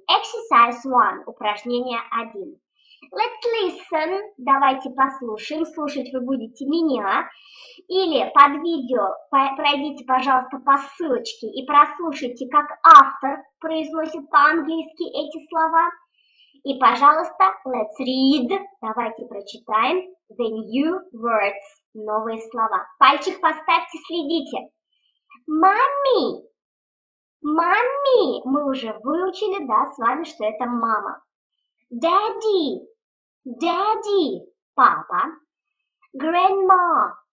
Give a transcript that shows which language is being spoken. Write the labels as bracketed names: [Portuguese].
[English] Exercise 1, [Russian] упражнение 1. [English] Let's listen, [Russian] давайте послушаем, слушать вы будете меня. Или под видео пройдите, пожалуйста, по ссылочке и прослушайте, как автор произносит по-английски эти слова. И, пожалуйста, [English] let's read. [Russian] Давайте прочитаем [English] the new words. [Russian] Новые слова. Пальчик поставьте, следите. [English] Mommy. Mommy. [Russian] Мы уже выучили, да, с вами, что это мама. [English] Daddy. Daddy. [Russian] Папа. [English] Grandma.